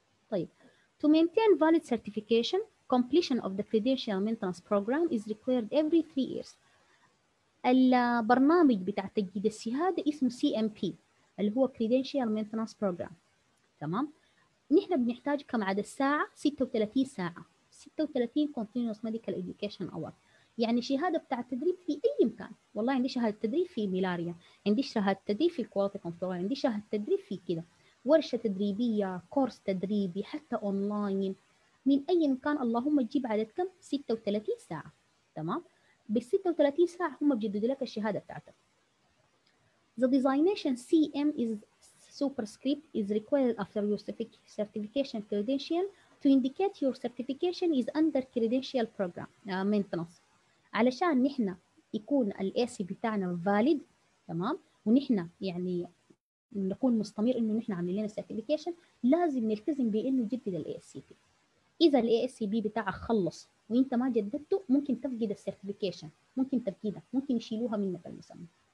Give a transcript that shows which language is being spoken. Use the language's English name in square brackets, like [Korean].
[English] طيب، to maintain valid certification, completion of the credential maintenance program is required every 3 years. [Arabic] البرنامج بتاع تجديد الشهادة اسمه CMP اللي هو [English] credential maintenance program، [Arabic] تمام؟ نحن بنحتاج كم عدد ساعة؟ 36 ساعة، [English] 36 continuous medical education hour. [Arabic] يعني شهادة بتاع التدريب في أي مكان، والله عندي شهادة تدريب في ميلاريا، عندي شهادة تدريب في quality control، عندي شهادة تدريب في كده ورشة تدريبية، كورس تدريبي، حتى أونلاين، من أي مكان، اللهم تجيب عدد كم؟ 36 ساعة، تمام؟ بال 36 ساعة هم بجدد لك الشهادة بتاعتك. [English] The designation CM is superscript is required after your certification credential to indicate your certification is under credential program maintenance. [Arabic] علشان نحن يكون الـ AC بتاعنا valid، تمام، ونحن يعني نكون مستمر إنه نحن عاملين لنا certification، لازم نلتزم بإنه جدد الـ ASCP. إذا الـ ASCP بتاعك خلص وإنت ما جددته، ممكن تفقد certification، ممكن تفقيدها، ممكن يشيلوها منك المسمى.